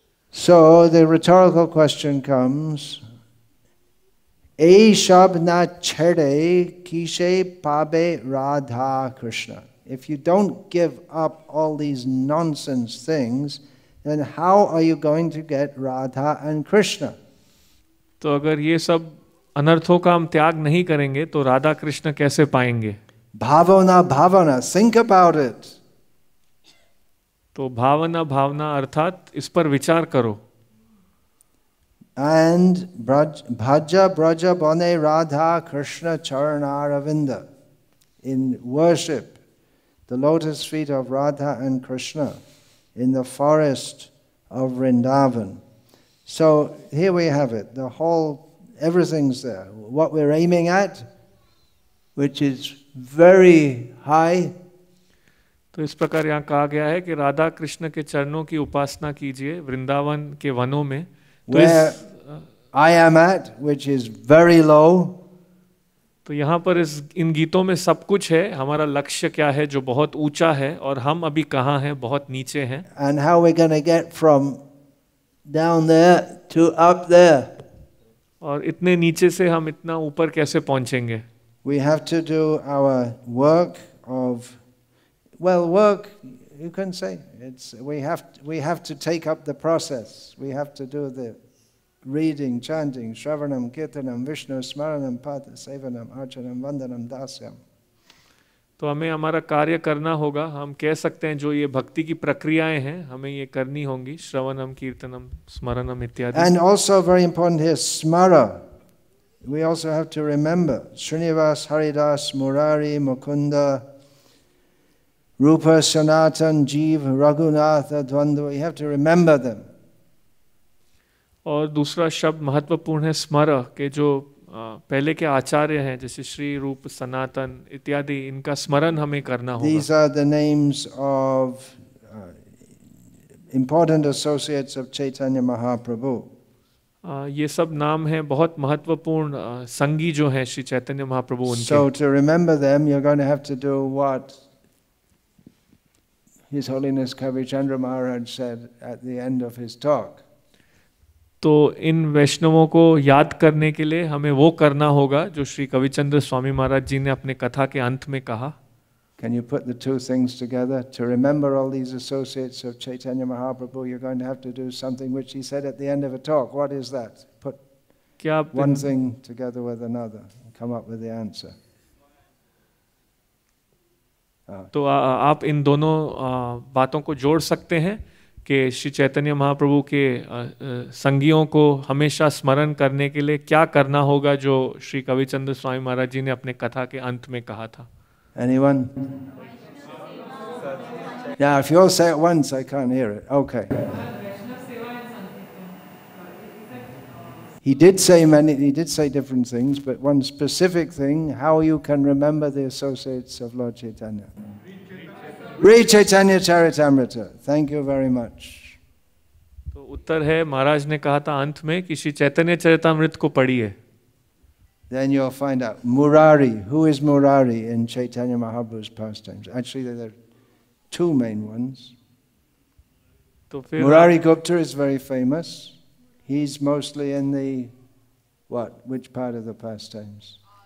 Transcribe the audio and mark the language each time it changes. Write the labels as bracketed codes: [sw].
[en] So the rhetorical question comes. [bn] Eishab na chede kise pabe Radha Krishna. [en] If you don't give up all these nonsense things, then how are you going to get Radha and Krishna? [hi] तो अगर ये सब अनर्थों का हम त्याग नहीं करेंगे तो राधा कृष्ण कैसे पाएंगे? [bn] भावना भावना, [en] think about it. [hi] तो भावना भावना अर्थात इस पर विचार करो. [bn] And भज ब्रज बने Radha Krishna चरणारविंद. [en] In worship, the lotus feet of Radha and Krishna in the forest of Vrindavan. So here we have it, the whole, everything's there. What we're aiming at, which is very high. [hi] तो इस प्रकार यहाँ कहा गया है कि राधा कृष्ण के चरणों की उपासना कीजिए वृंदावन के वनों में. [en] Where I am at, which is very low. [hi] तो यहाँ पर इस इन गीतों में सब कुछ है, हमारा लक्ष्य क्या है जो बहुत ऊंचा है, और हम अभी कहाँ हैं, बहुत नीचे हैं. [en] And how we're going to get from down there to up there? [hi] और इतने नीचे से हम इतना ऊपर कैसे पहुंचेंगे? [en] We have to do our work of, well, work. You can say it's we have to take up the process. We have to do the reading, chanting, shravanam, kirtanam, Vishnu smaranam, pada sevanam, archanam, vandanam, dasyam. [hi] तो हमें हमारा कार्य करना होगा. हम कह सकते हैं जो ये भक्ति की प्रक्रियाएं हैं हमें ये करनी होंगी, श्रवणम, कीर्तनम, स्मरणम इत्यादि. [en] And also very important here, smara. We also have to remember Srinivas, Haridas, Murari, Mukunda, Rupa, Sanatan, Jeev, Raghunath, Advandu. We have to remember them. [hi] और दूसरा शब्द महत्वपूर्ण है स्मरा, के जो पहले के आचार्य हैं जैसे श्री रूप सनातन इत्यादि, इनका स्मरण हमें करना होगा. [en] These are the names of important associates of Chaitanya Mahaprabhu. [hi] ये सब नाम हैं बहुत महत्वपूर्ण संगी जो हैं श्री चैतन्य महाप्रभु उनके. [en] So to remember them, you're going to have to do what His Holiness Kavichandra Maharaj said at the end of his talk. [hi] तो इन वैष्णवों को याद करने के लिए हमें वो करना होगा जो श्री कविचंद्र स्वामी महाराज जी ने अपने कथा के अंत में कहा. [en] Can you put the two things together? To remember all these associates of Chaitanya Mahaprabhu, you're going to have to do something which he said at the end of a talk. What is that? Put one thing together with another and come up with the answer. [hi] तो आप इन दोनों बातों को जोड़ सकते हैं कि श्री चैतन्य महाप्रभु के संगियों को हमेशा स्मरण करने के लिए क्या करना होगा जो श्री कविचंद्र स्वामी महाराज जी ने अपने कथा के अंत में कहा था. [en] Anyone? Now, if you all say it once, I can't hear it. Okay. He did say different things, but one specific thing, how you can remember the associates of Lord Chaitanya. Re Chaitanya Charitamrita. Thank you very much. [hi] तो उत्तर है, महाराज ने कहा था अंत में कि श्री चैतन्य चरितामृत को पढ़िए. [en] Then you'll find out Murari. Who is Murari in Chaitanya Mahaprabhu's pastimes? Actually, there are two main ones. [hi] तो फिर [en] Murari Gupta is very famous. He's mostly in the what? Which part of the pastimes?